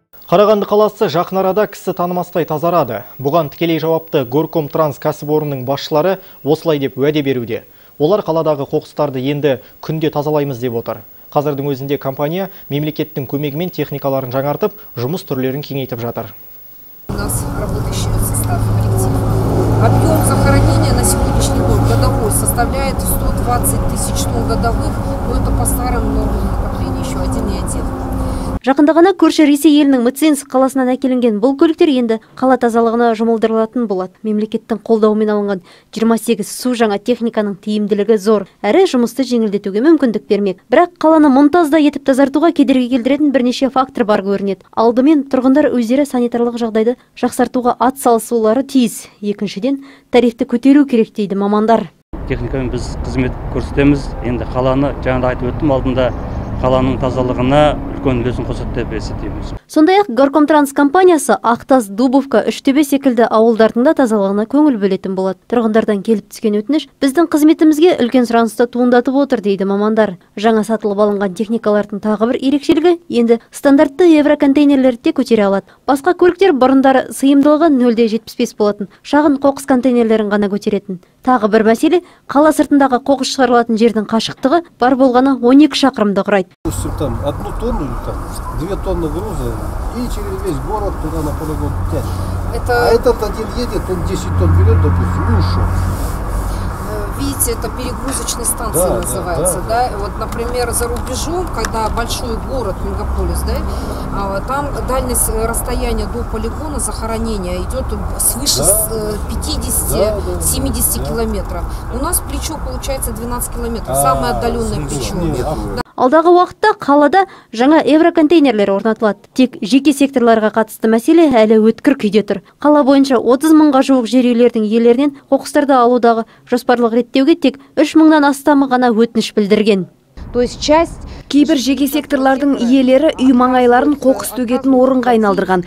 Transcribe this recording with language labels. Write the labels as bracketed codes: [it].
[kk] Қарағанды қаласы жақын арада кісі танымастай тазарады. Бұған тікелей жауапты Горкомтранс кәсіпорнының басшылары осылай деп уәде беруде. Олар қаладағы қоқыстарды енді күнде тазалаймыз деп отыр. Қазірдің өзінде компания мемлекеттің көмегімен техникаларын жаңартып, жұмыс түрлерін кеңейтіп жатыр. [ru] У нас работающий состав коллектив. Объем захоронения на сегодняшний год годовой составляет 120 тысяч тонн годовых, но это по старым нормам накопления еще один и один. [kk] Жақындығына көрші Ресей елінің Мценск қаласынан әкелінген бұл көліктер енді қала тазалығына жұмылдырылатын болады. Мемлекеттің қолдауымен алынған 28 су жаңа техниканың тиімділігі зор, әрі жұмысты жеңілдетуге мүмкіндік бермек. Бірақ қаланы мұнтаздай етіп тазартуға кедергі келтіретін бірнеше фактор бар көрінеді. Алдымен тұрғындар өздері санитарлық жағдайды жақсартуға атсалысулары тиіс. Екіншіден тарифті көтеру керек дейді мамандар. Техникамен біз қызмет көрсетеміз. Енді қаланы жаңа айтып өттім алдында қаланың тазалығына көңілдесін қосады деп есептейміз. Сондай ақ Горкомтранс компаниясы Ақтас, Дубовка, Үштөбе секілді ауылдардың да тазалығына көңіл бөлетін болады. Тұрғындардан келіп түскен өтініш біздің қызметімізге үлкен сұранысты туындатып отыр дейді мамандар. Жаңа сатылып алынған техникалардың тағы бір ерекшелігі енді стандартты евроконтейнерлерді де көтере алады. Басқа көліктер бұрындары сыйымдылығы 0.75 болатын, шағын қоқыс контейнерлерін ғана көтеретін. Тағы бір мәселе қала сыртындағы қоқыс шығарылатын жердің қашықтығы бар болғаны 12 шақырымды құрайды. Осы [ru] там 1 тонна, там 2 тонна груза и через весь город туда на полигон тянет. Это... А этот один едет, он 10 тонн берет, допустим, и ушел. Видите, это перегрузочные станции называются. Да, да. Вот, например, за рубежом, когда большой город, мегаполис, да, там дальность расстояния до полигона захоронения идет свыше 50-70 километров. У нас плечо получается 12 километров, самое отдаленное плечо. [kk] Алдағы уақытта қалада жаңа евроконтейнерлер орнатылады. Тек жеке секторларға қатысты мәселе әлі өткір күйде тұр. Қала бойынша 30 мыңға жуық жер үйлердің иелерінен қоқыстарды алудағы жоспарлық реттеуге тек 3 мыңнан астамы ғана өтініш білдірген. Кейбір жеке секторлардың иелері үй маңайларын қоқыс төгетін орынға айналдырған.